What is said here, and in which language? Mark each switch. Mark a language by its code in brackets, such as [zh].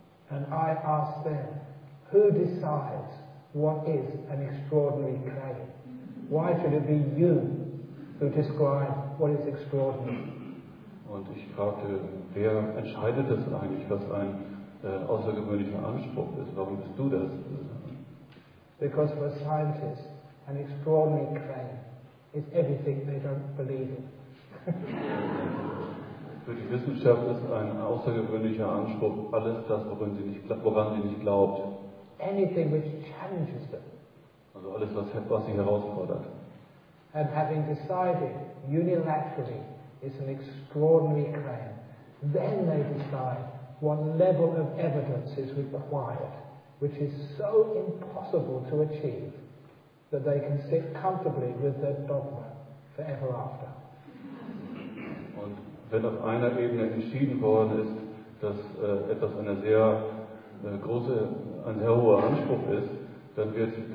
[en] And I ask them, who decides what is an extraordinary claim? Why should it be you who describe what is extraordinary? [de] Und ich fragte, wer entscheidet das eigentlich, was ein außergewöhnlicher Anspruch ist? Warum bist du das? [en] Because for a scientist, an extraordinary claim is everything they don't believe in. [de] Für die Wissenschaft ist ein außergewöhnlicher Anspruch alles das, woran sie nicht glaubt. [en] Anything which challenges them. [de] Also alles, was sie herausfordert. [en] And having decided unilaterally is an extraordinary claim, then they decide what level of evidence is required, which is so impossible to achieve that they can sit comfortably with their dogma forever after. [de] Und wenn auf einer Ebene entschieden worden ist, dass etwas eine sehr große, ein sehr hoher Anspruch ist, dann wird